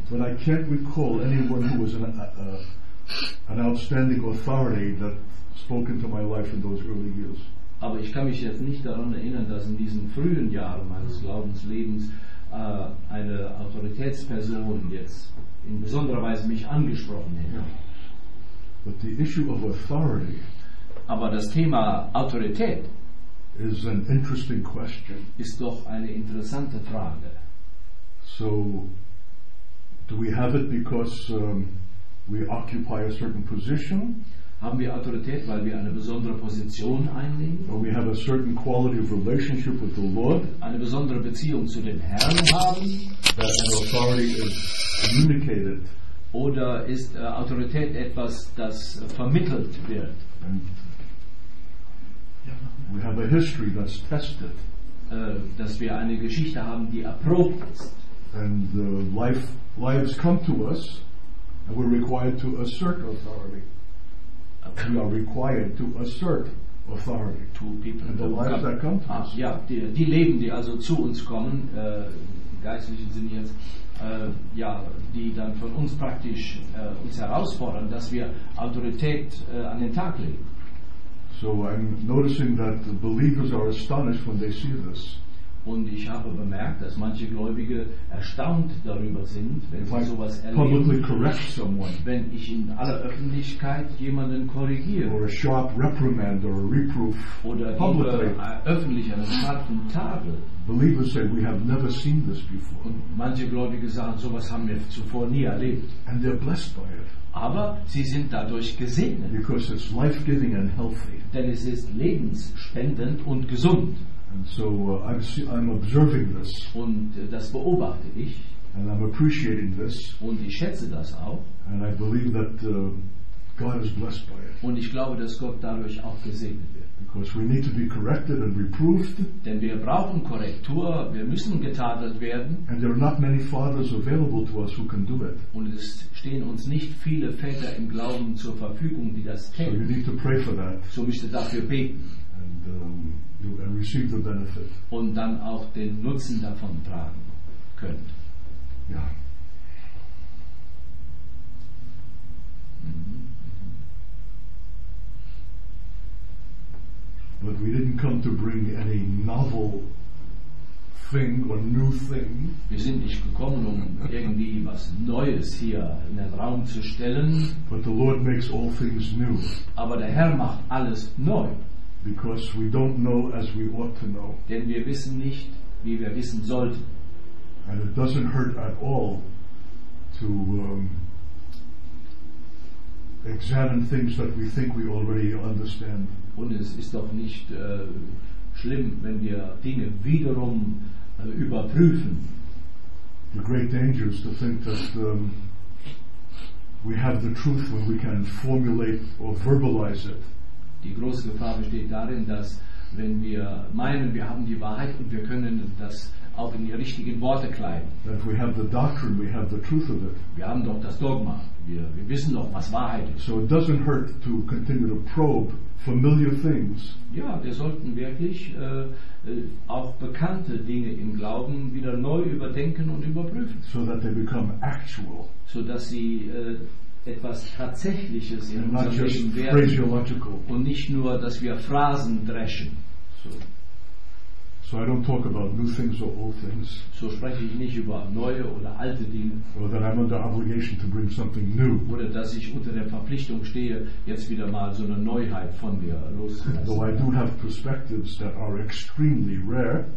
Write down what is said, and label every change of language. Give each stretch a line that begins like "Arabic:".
English: But I can't recall anyone who was an outstanding authority that spoke into my life in those early years.
German: Aber ich kann mich jetzt nicht daran erinnern, dass in diesen frühen Jahren meines Glaubenslebens eine Autoritätsperson jetzt in besonderer Weise mich angesprochen hätte.
English: But the issue of authority,
German: aber das Thema Autorität,
English: is an interesting question.
German: Ist doch eine interessante Frage.
English: So, do we have it because we occupy a certain position?
German: Haben wir Autorität, weil wir eine besondere Position einnehmen?
English: Or we have a certain quality of relationship with the Lord?
German: Eine besondere Beziehung zu dem Herrn haben?
English: That an authority is communicated?
German: Oder ist Autorität etwas, das vermittelt wird?
English: We have a history that's tested.
German: Dass wir eine Geschichte haben, die erprobt ist.
English: And lives come to us, and we're required to assert authority. We are required to assert authority. To people. And the lives that come to us.
German: Ja, die Leben, die also zu uns kommen, geistlichen Sinn jetzt, ja, die dann von uns praktisch uns herausfordern, dass wir Autorität an den Tag legen.
English: So I'm noticing that the believers are astonished when they see this.
German: Und ich habe bemerkt, dass manche Gläubige erstaunt darüber sind, wenn sie sowas erleben.
English: Publicly correct someone.
German: Wenn ich in aller Öffentlichkeit jemanden korrigiere.
English: Or a sharp reprimand or a reproof.
German: Oder
English: publicly.
German: Öffentlich an einem harten Tadel.
English: Believers say, we have never seen this before.
German: Und manche Gläubige sagen, sowas haben wir zuvor nie erlebt.
English: And they're blessed by it.
German: Aber sie sind dadurch gesegnet.
English: Because it's life-giving and healthy.
German: Denn es ist lebensspendend und gesund.
English: And so I'm observing this.
German: Und das beobachte ich.
English: And I'm appreciating this.
German: Und ich schätze das auch.
English: And I believe that God is blessed by it.
German: Und ich glaube, dass Gott dadurch auch gesegnet wird.
English: Because we need to be corrected and reproved.
German: Denn wir brauchen Korrektur, wir müssen getadelt werden.
English: And there are not many fathers available to us who can do it.
German: Und es stehen uns nicht viele Väter im Glauben zur Verfügung, die das kennen.
English: So you need to pray for that.
German: So müsst ihr dafür beten.
English: And receive the benefit.
German: Und dann auch den Nutzen davon tragen können. Ja.
English: But we didn't come to bring any novel thing or new thing.
German: Wir sind nicht gekommen, um irgendwie was Neues hier in den Raum zu stellen.
English: But the Lord makes all things new.
German: Aber der Herr macht alles neu.
English: Because we don't know as we ought to know.
German: Denn wir wissen nicht, wie wir wissen sollten.
English: And it doesn't hurt at all to examine things that we think we already understand.
German: Und es ist doch nicht schlimm, wenn wir Dinge wiederum überprüfen.
English: The great danger is to think that we have the truth when we can formulate or verbalize it.
German: Die große Gefahr besteht darin, dass wenn wir meinen, wir haben die Wahrheit und wir können das auch in die richtigen Worte kleiden.
English: We have the doctrine, we have the truth of it.
German: Wir haben doch das Dogma. Wir wissen doch, was Wahrheit ist.
English: So it doesn't hurt to continue to probe familiar things.
German: Ja, wir sollten wirklich auch bekannte Dinge im Glauben wieder neu überdenken und überprüfen.
English: So that they become actual.
German: So dass sie etwas Tatsächliches in unserem Leben werden. Und nicht nur, dass wir Phrasen dreschen.
English: So I don't talk about new things or old things.
German: So spreche ich nicht über neue oder alte Dinge.
English: Or that I'm under obligation to bring something new.
German: Oder dass ich unter der Verpflichtung stehe, jetzt wieder mal so eine Neuheit von mir loszulassen.
English: Though I do have perspectives that are extremely rare.